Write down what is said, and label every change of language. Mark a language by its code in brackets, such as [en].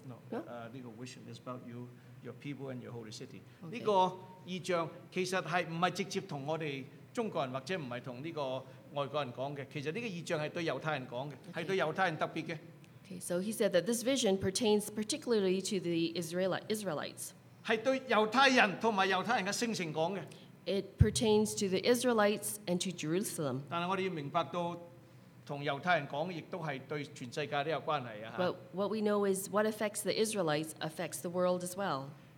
[en] No. This vision is about you. Your people and your holy city. Okay. [zh] 呢個意象其實係唔係直接同我哋中國人或者唔係同呢個外國人講嘅，其實呢個意象係對猶太人講嘅，係對猶太人特別嘅。 [en] Okay, so he said that this vision pertains particularly to the Israelites. [zh] 係對猶太人同埋猶太人嘅聖城講嘅。 [en] It pertains to the Israelites and to Jerusalem. [zh] 但係我哋要明白到。 [en] But what we know is what affects the Israelites affects the world as well.